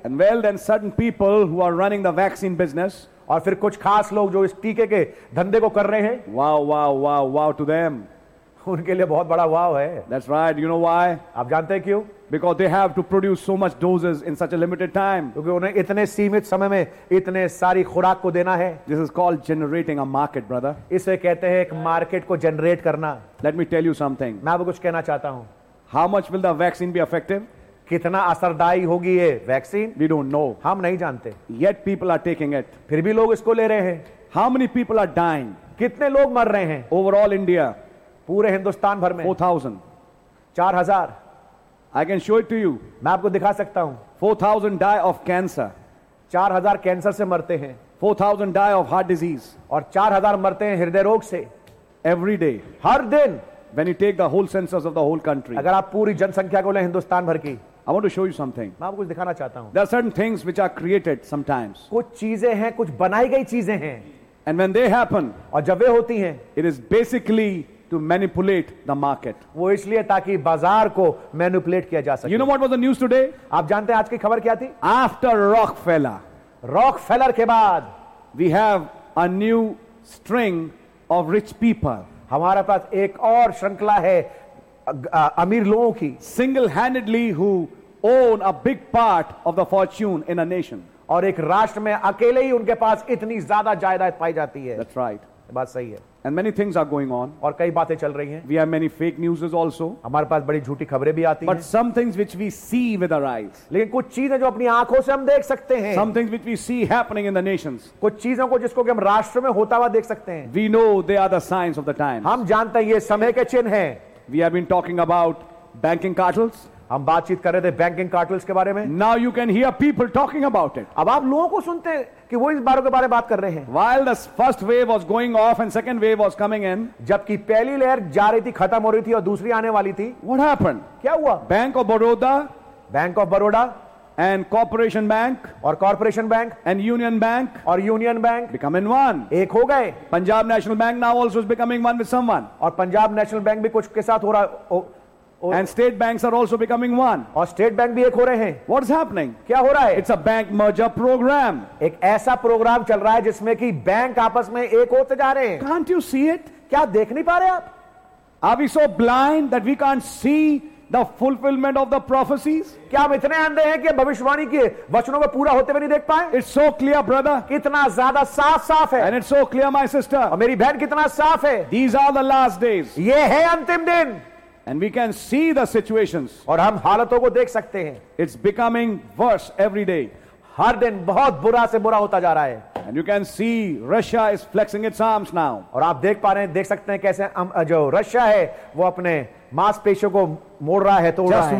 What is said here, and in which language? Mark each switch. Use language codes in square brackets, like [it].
[en] And well then certain people who are running the vaccine business. [hi] और फिर कुछ खास लोग जो इस टीके के धंधे को कर रहे हैं. [en] Wow, wow, wow, wow to them. [hi] उनके लिए बहुत बड़ा वाव है. [en] That's right. You know why? [hi] आप जानते हैं क्यों? [en] Because they have to produce so much doses in such a limited time. [hi] क्योंकि उन्हें इतने सीमित समय में इतने सारी खुराक को देना है. [en] This is called generating a market, brother. [hi] इसे कहते हैं एक मार्केट को जनरेट करना. [en] Let me tell you something. [hi] मैं आपको कुछ कहना चाहता हूँ. [en] How much will the vaccine be effective? [hi] कितना असरदायी होगी ये वैक्सीन? [en] We don't know. [hi] हम नहीं जानते. [en] Yet people are taking it. [hi] फिर भी लोग इसको ले रहे हैं. [en] How many people are dying? [hi] कितने लोग मर रहे हैं? [en] Overall India. [hi] पूरे हिंदुस्तान भर में [en] 4,000. [hi] 4,000. [en] I can show it to you. [hi] मैं आपको दिखा सकता हूं. [en] 4,000 die of cancer. [hi] 4,000 कैंसर से मरते हैं. [en] 4,000 die of heart disease. [hi] और 4,000 मरते हैं हृदय रोग से. [en] Every day. [hi] हर दिन. [en] When you take the whole census of the whole country. [hi] अगर आप पूरी जनसंख्या को लें हिंदुस्तान भर की. [en] I want to show you something. [hi] मैं आपको कुछ दिखाना चाहता हूं. [en] There are certain things which are created sometimes. [hi] कुछ चीजें हैं, कुछ बनाई गई चीजें हैं. [en] And when they happen. [hi] और जब वे होती हैं. [en] It is basically to manipulate the market. [hi] वो इसलिए ताकि बाजार को manipulate किया जा सके. [en] You know what was the news today? [hi] आप जानते हैं आज की खबर क्या थी? [en] After Rockefeller. [hi] Rockefeller के बाद. [en] We have a new string of rich people. [hi] हमारे पास एक और श्रृंखला है अमीर लोगों की. [en] Single-handedly who own a big part of the fortune in a nation. [hi] और एक राष्ट्र में अकेले ही उनके पास इतनी ज्यादा जायदाद पाई जाती है. [en] That's right. [hi] बात सही है. [en] And many things are going on. [hi] और कई बातें चल रही हैं. [en] We have many fake news also. [hi] हमारे पास बड़ी झूठी खबरें भी आती हैं. [en] But some things which we see with our eyes. [hi] लेकिन कुछ चीजें जो अपनी आंखों से हम देख सकते हैं. [en] Some things which we see happening in the nations. [hi] कुछ चीजों को जिसको कि हम राष्ट्र में होता हुआ देख सकते हैं. [en] We know they are the signs of the times. [hi] हम जानते हैं ये समय के चिन्ह हैं. [en] We have been talking about banking cartels. [hi] हम बातचीत कर रहे थे बैंकिंग कार्टल्स के बारे में. [en] Now you can hear people talking about it. [hi] अब आप लोगों को सुनते हैं कि वो इस बारे के बारे में बात कर रहे हैं. [en] While the first wave was going off and second wave was coming in. [hi] जबकि पहली लहर जा रही थी खत्म हो रही थी और दूसरी आने वाली थी. [en] What happened? [hi] क्या हुआ? [en] Bank of Baroda and Corporation Bank [hi] और corporation bank [en] and Union Bank [hi] और union bank [en] become in one. [hi] एक हो गए. [en] Punjab National Bank now also is becoming one with someone. [hi] और पंजाब नेशनल बैंक भी कुछ के साथ हो रहा है. [en] And state banks are also becoming one. [hi] और स्टेट बैंक भी एक हो रहे हैं. [en] What's happening? [hi] क्या हो रहा है? [en] It's a bank merger program. [hi] एक ऐसा प्रोग्राम चल रहा है जिसमें कि बैंक आपस में एक होते जा रहे हैं. [en] Can't you see it? [hi] क्या देख नहीं पा रहे आप? [en] Are we so blind that we can't see the fulfillment of the prophecies? [hi] क्या हम इतने अंधे हैं कि भविष्यवाणी के वचनों को पूरा होते हुए नहीं देख पाए? [en] It's so clear, brother. [hi] कितना ज्यादा साफ साफ है. [en] And it's so clear, my sister. [hi] और मेरी बहन कितना साफ है. [en] These are the last days. [hi] ये है अंतिम दिन. [en] And we can see the situations. [hi] और हम हालतों को देख सकते हैं. [en] It's becoming worse every day. [hi] हर दिन बहुत बुरा से बुरा होता जा रहा है. [en] And you can see Russia is flexing its arms now. [hi] और आप देख पा रहे हैं, देख सकते हैं कैसे जो रशिया है वो अपने मांसपेशियों को मोड़ रहा है, तोड़ रहा है.